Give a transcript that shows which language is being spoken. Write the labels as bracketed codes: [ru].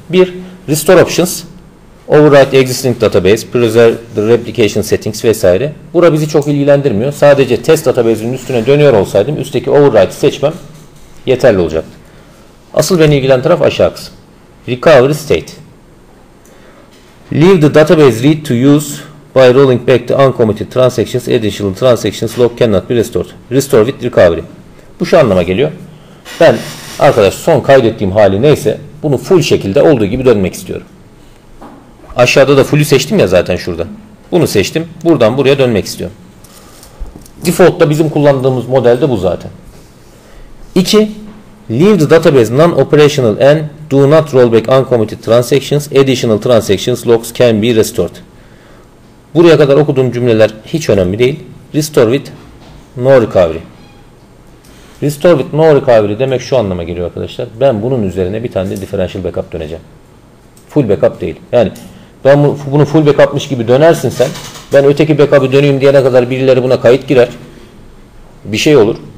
[en] Bir, restore options, override existing database, preserve the replication settings vesaire. [tr] Bura bizi çok ilgilendirmiyor. Sadece test database'in üstüne dönüyor olsaydım üstteki override'i seçmem yeterli olacaktı. Asıl beni ilgilen taraf aşağı kısım. [en] Recovery state. Leave the database read to use by rolling back the uncommitted transactions, additional transactions, log cannot be restored. Restore with recovery. [tr] Bu şu anlama geliyor. Ben arkadaş son kaydettiğim hali neyse bunu full şekilde olduğu gibi dönmek istiyorum. Aşağıda da full'ü seçtim ya zaten şurada. Bunu seçtim. Buradan buraya dönmek istiyorum. Default'ta bizim kullandığımız model de bu zaten. [en] 2. Leave the database non-operational and do not roll back uncommitted transactions. Additional transactions logs can be restored. [tr] Buraya kadar okuduğum cümleler hiç önemli değil. [en] Restore with no recovery. Restore with no recovery [tr] demek şu anlama geliyor arkadaşlar. Ben bunun üzerine bir tane de differential backup döneceğim. Full backup değil. Yani ben bunu full backupmış gibi dönersin sen. Ben öteki backup'ı döneyim diyene kadar birileri buna kayıt girer. Bir şey olur.